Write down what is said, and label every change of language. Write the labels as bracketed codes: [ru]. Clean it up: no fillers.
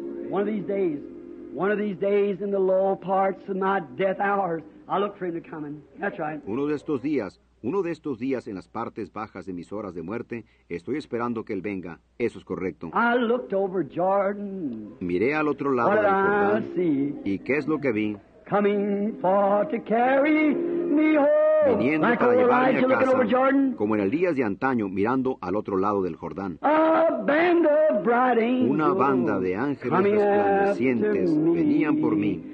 [en] One of these days, in the low parts of my death hours, I look for him to come in. That's right. [es] Uno de estos días, en las partes bajas de mis horas de muerte, estoy esperando que él venga. Eso es correcto. [en] I looked over Jordan. [es] Miré al otro lado del Jordán. ¿Y qué es lo que vi? [en] Coming for to carry me home. [es] Viniendo [en] like [es] para llevarme a casa. [en] Over Jordan. [es] Como en el día de antaño, mirando al otro lado del Jordán. [en] A band of bright angels. [es] Una banda de ángeles resplandecientes venían por mí.